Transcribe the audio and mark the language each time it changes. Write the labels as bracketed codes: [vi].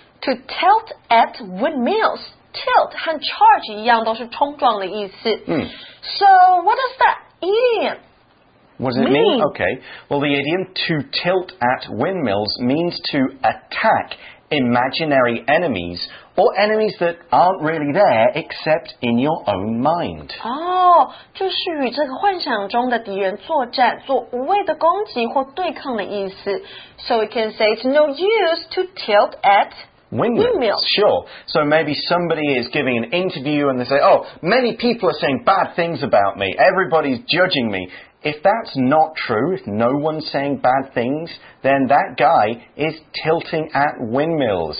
[en] To tilt at windmills, [zh] tilt 和 charge 一样都是冲撞的意思。 [en] So what does that idiom What does it mean? Okay. Well, the idiom to tilt at windmills means to attack imaginary enemies or enemies that aren't really there except in your own mind. [zh] Oh, 就是与这个幻想中的敌人作战，做无谓的攻击或对抗的意思。 [en] So we can say it's no use to tilt at windmills. Sure. So maybe somebody is giving an interview and they say, oh, many people are saying bad things about me. Everybody's judging me. If that's not true, if no one's saying bad things, then that guy is tilting at windmills.